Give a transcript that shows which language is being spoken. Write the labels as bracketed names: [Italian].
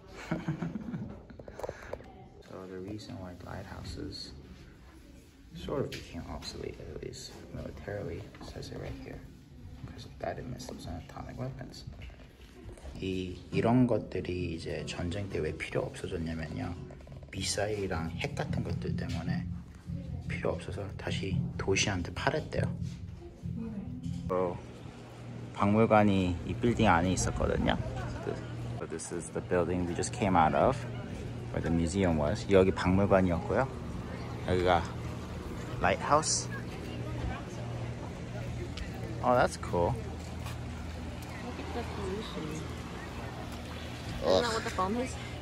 [English] So the reason why lighthouses sort of became obsolete, at least militarily, says it right here, because of that, and missiles and atomic weapons. [Korean] 이 이런 것들이 이제 전쟁 때 왜 필요 없어졌냐면요. 미사일이랑 핵 같은 것들 때문에 필요 없어서 다시 도시한테 팔았대요. 어, 박물관이 이 빌딩 안에 있었거든요. [English] This is the building we just came out of, where the museum was. [Korean] 여기 박물관이었고요. 여기가 라이트하우스. [English] Oh, that's cool. Look at the pollution. Isn't that what the bomb is?